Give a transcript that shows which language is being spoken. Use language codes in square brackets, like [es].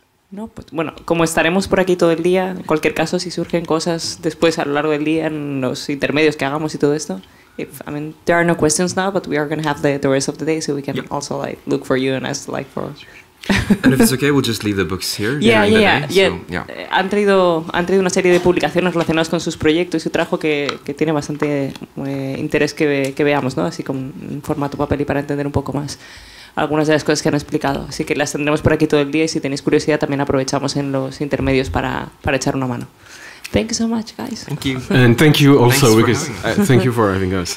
[es] No, pues, bueno, como estaremos por aquí todo el día, en cualquier caso, si surgen cosas después a lo largo del día en los intermedios que hagamos y todo esto. [en] If, I mean, there are no questions now, but we are going to have the rest of the day, so we can also like look for you and ask like for. And if it's okay, we'll just leave the books here. Yeah. [es] Han traído una serie de publicaciones relacionadas con sus proyectos y su trabajo que tiene bastante interés que veamos, ¿no? Así como en formato papel y para entender un poco más algunas de las cosas que han explicado. Así que las tendremos por aquí todo el día y si tenéis curiosidad también aprovechamos en los intermedios para echar una mano. [en] Thank you so much, guys. Thank you. And thank you also, because thank you for having us.